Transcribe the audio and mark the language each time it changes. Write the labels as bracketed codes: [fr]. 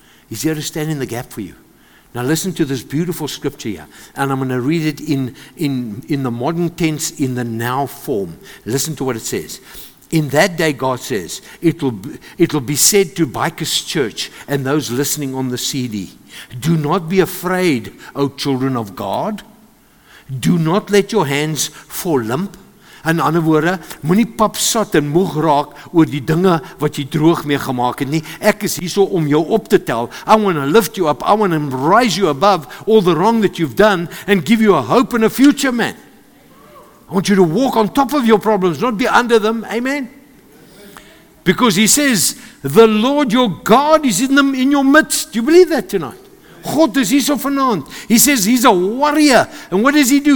[en] He's here to stand in the gap for you. Now listen to this beautiful scripture here, and I'm going to read it in the modern tense, in the now form. Listen to what it says. In that day, God says, it'll be said to Bikers Church and those listening on the CD, do not be afraid, O children of God. Do not let your hands fall limp. [af] In ander woorde, moenie pap sat en moeg raak oor die dinge wat jy droog mee gemaak het nie. Ek is hierso om jou op te tel. [en] I want to lift you up. I want to raise you above all the wrong that you've done and give you a hope and a future, man. I want you to walk on top of your problems, not be under them. Amen. Because He says, the Lord your God is in your midst. Do you believe that tonight? God is [af] hier so vanaand. [en] He says He's a warrior. And what does He do?